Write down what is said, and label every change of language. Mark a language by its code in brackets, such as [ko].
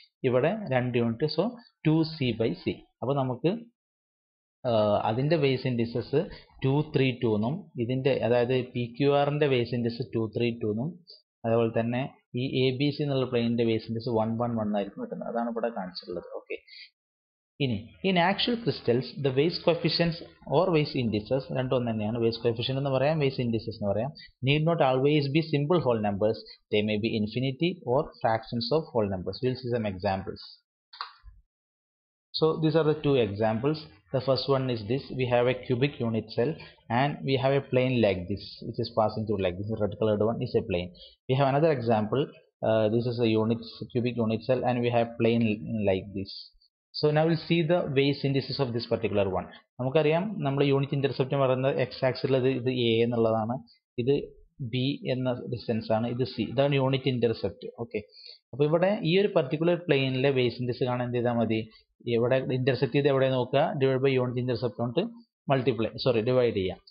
[ml] ഇവിടെ 2 unit, so 2c/c. അപ്പോൾ നമുക്ക് അതിൻ്റെ വെയ്സ് ഇൻഡിസസ് 2, 3, 2 എന്നും, ഇതിൻ്റെ അതായത് പി ക്യു ആറിൻ്റെ വെയ്സ് ഇൻഡിസ് 2, 3, 2 എന്നും, അതേപോലെ തന്നെ ഈ എ ബി സി എന്നുള്ള പ്ലെയിനിൻ്റെ വെയ്സ് ഇൻഡിസ് 1, 1, 1 ആയിരിക്കും കിട്ടുന്നത്. അതാണ് ഇവിടെ കാണിച്ചിട്ടുള്ളത്. [en] okay, ഇനി in actual crystals the Weiss coefficients or Weiss indices [ml] രണ്ടും തന്നെയാണ്, [en] Weiss coefficient എന്ന് പറയാം, Weiss indices എന്ന് പറയാം, need not always be simple whole numbers, they may be infinity or fractions of whole numbers. Will see some examples. So these are the two examples. The first one is this, we have a cubic unit cell and we have a plane like this which is passing through like this, the red colored one is a plane. We have another example, this is a unit cubic unit cell and we have plane like this. So now we'll see the Weiss indices of this particular one. [ml] നമുക്കറിയാം നമ്മുടെ unit intercept എന്ന് പറയുന്നത് X axle ഇത് A എന്നുള്ളതാണ്, ഇത് B എന്ന distance ആണ്, ഇത് സി, ഇതാണ് യൂണിറ്റ് ഇന്റർസെപ്റ്റ്. ഓക്കെ, അപ്പോൾ ഇവിടെ ഈ ഒരു പർട്ടിക്കുലർ പ്ലെയിനിലെ വെയ്സ് ഇൻഡിസ് കാണാൻ എന്ത് ചെയ്താൽ മതി, ഇവിടെ ഇന്റർസെപ്റ്റ് ചെയ്ത് എവിടെ നോക്കുക, ഡിവൈഡ് ബൈ യൂണിറ്റ് ഇന്റർസെപ്റ്റ് കൊണ്ട് മൾട്ടിപ്ലൈ, സോറി ഡിവൈഡ് ചെയ്യാം.